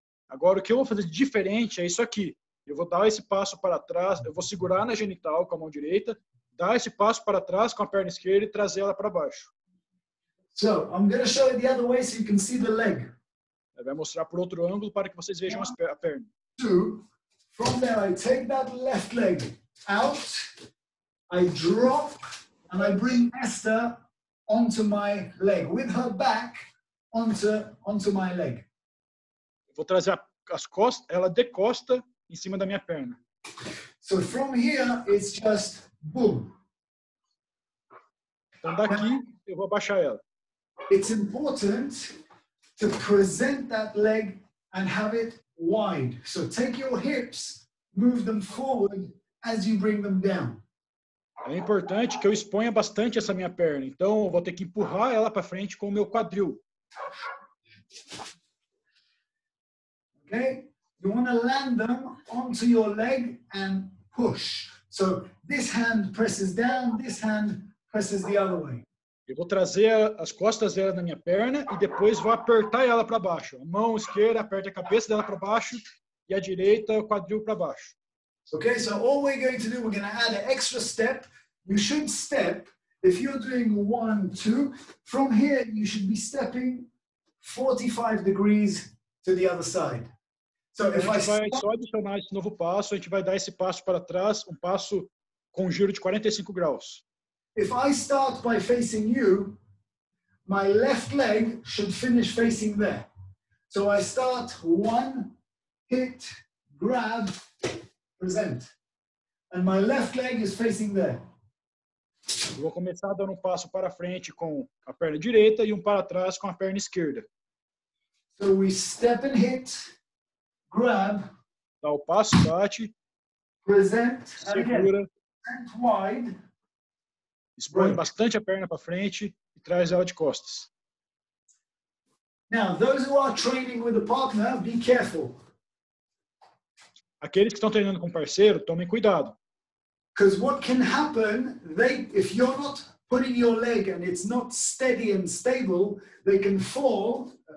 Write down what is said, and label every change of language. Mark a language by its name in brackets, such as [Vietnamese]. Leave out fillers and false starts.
[Portuguese] Agora, o que eu vou fazer de diferente é isso aqui. Eu vou dar esse passo para trás, eu vou segurar na genital com a mão direita, dar esse passo para trás com a perna esquerda e trazer ela para baixo. [English] So, I'm going to show you the other way so you can see the leg. [Portuguese] Ela vai mostrar por outro ângulo para que vocês vejam a perna. [English] Two. From there, I take that left leg out, I drop, and I bring Esther onto my leg, with her back onto my leg. [Portuguese] Vou trazer as costas, ela decosta em cima da minha perna. [English] So from here, it's just boom. [Portuguese] Então daqui, eu vou abaixar ela. [English] It's important to present that leg and have it wide. So take your hips, move them forward as you bring them down. [Portuguese] É importante que eu exponha bastante essa minha perna. Então eu vou ter que empurrar ela para frente com o meu quadril. [English] Okay? You want to land them onto your leg and push. So this hand presses down, this hand presses the other way. [Portuguese] Eu vou trazer as costas dela na minha perna e depois vou apertar ela para baixo. A mão esquerda aperta a cabeça dela para baixo e a direita o quadril para baixo. [English] Okay, so all we're going to do, we're going to add an extra step. You should step, if you're doing one, two, from here you should be stepping 45 degrees to the other side. So if I stop... [Portuguese] A gente vai só adicionar esse novo passo, a gente vai dar esse passo para trás, um passo com um giro de 45 graus. [English] If I start by facing you, my left leg should finish facing there. So I start one, hit, grab, present. And my left leg is facing there. [Portuguese] Eu vou começar dando um passo para frente com a perna direita e um para trás com a perna esquerda. [English] So we step and hit, grab, [Portuguese] dá o passo, bate, [English] present, [Portuguese] segura, [English] and wide. [Portuguese] Expõe bastante a perna para frente e traz ela de costas. [English] Now, those who are training with a partner, be careful. [Portuguese] Aqueles que estão treinando com parceiro, tomem cuidado. [English] Because what can happen, they, if you're not putting your leg and it's not steady and stable, they can fall.